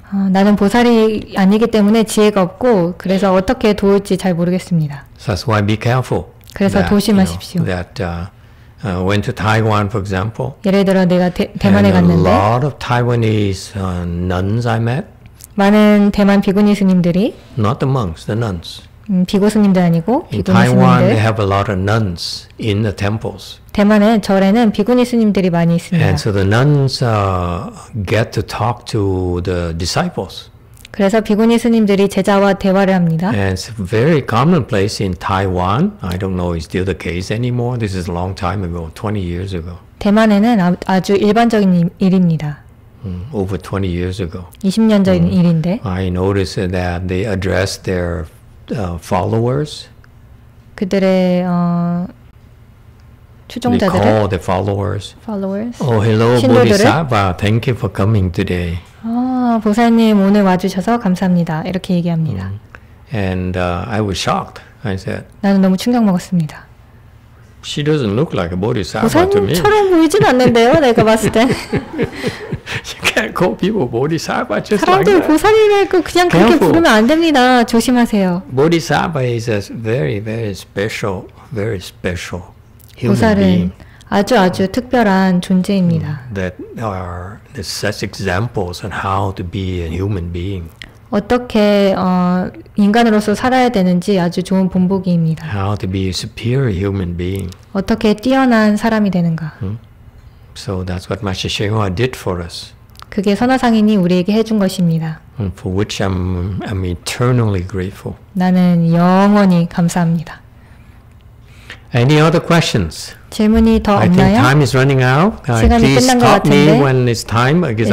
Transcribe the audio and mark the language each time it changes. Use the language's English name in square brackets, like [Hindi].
[Korean] 나는 보살이 아니기 때문에 지혜가 없고 그래서 어떻게 도울지 잘 모르겠습니다. [English] So that's why be careful. [Korean] 그래서 [English] that, [Korean] 조심하십시오. [English] You know, that went to Taiwan for example. [Korean] 예를 들어 내가 대만에 [English] and [Korean] 갔는데 [English] a lot of Taiwanese nuns I met [Korean] 많은 대만 비구니 스님들이 [English] not the monks, the nuns. [Korean] 비구 스님들 아니고 비구니 스님들. [English] In Taiwan, they have a lot of nuns in the temples. [Korean] 대만에 절에는 비구니 스님들이 많이 있습니다. [English] And so the nuns get to talk to the disciples. [Korean] 그래서 비구니 스님들이 제자와 대화를 합니다. [English] And it's a very common place in Taiwan. I don't know if it's still the case anymore. This is a long time ago, 20 years ago. [Korean] 대만에는 아주 일반적인 일입니다. [English] Over 20 years ago. [Korean] 20년 전 일인데. [English] I noticed that they addressed their followers. [Korean] 그들의 추종자들을. [English] They call the followers. Followers. Oh, hello, [Korean] 신도들을? [English] Bodhisattva. Thank you for coming today. [Korean] 보살님 오늘 와주셔서 감사합니다. 이렇게 얘기합니다. [English] And I was shocked. I said. [Korean] 나는 너무 충격 먹었습니다. [English] She doesn't look like a bodhisattva to me. [Korean] 보살님처럼 보이진 않는데요, 내가 봤을 때. [English] You can't call people bodhisattva just like that. [Korean] 사람들 보살님을 그냥 [English] Careful. [Korean] 그렇게 부르면 안 됩니다. 조심하세요. [English] Bodhisattva is a very, very special, very special human being. [Korean] 보살은 아주 아주 특별한 존재입니다. [English] That are such examples on how to be a human being. [Korean] 어떻게 인간으로서 살아야 되는지 아주 좋은 본보기입니다. [English] How to be a superior human being. [Korean] 어떻게 뛰어난 사람이 되는가. [English] So that's what Master Shenghua did for us. [Korean] 그게 선화상인이 우리에게 해준 것입니다. [English] For which I'm eternally grateful. [Korean] 나는 영원히 감사합니다. [English] Any other questions? [Korean] 질문이 더 [English] I [Korean] 없나요? [English] I think time is running out. [Korean] 시간이 [English] Please [Korean] 끝난 것 같은데. [English] Please stop me when it's time, because